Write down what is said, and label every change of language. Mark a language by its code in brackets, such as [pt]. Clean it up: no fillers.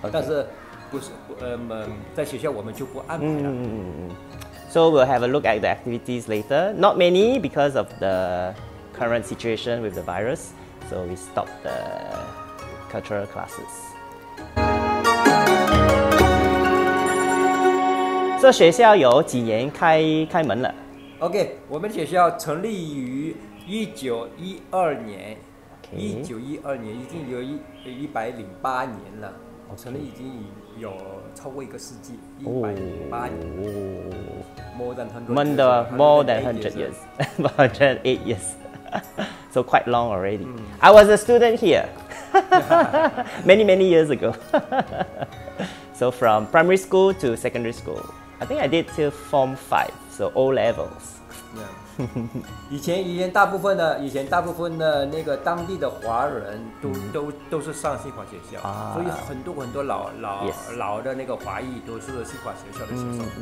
[zh] 但是不是在学校我们就不安排了。 [en] So we'll have a look at the activities later. Not many because of the current situation with the virus. So we stopped the cultural classes. [zh] 这学校有几年开门了？OK， 我们学校成立于1912年， [en] okay. [zh] 1912年已经有108年了， [en] okay. [zh] 成立已经有超过一个世纪，108年。 [en] More than 100 years. More than 8 years. So quite long already.、I was a student here many years ago. So from primary school to secondary school. I think I did till Form 5, so O levels. Yeah. [zh] 以前大部分的那个当地的华人都是上新华学校，所以很多老、 [en] yes. [zh] 老的那个华裔都是新华学校的学生。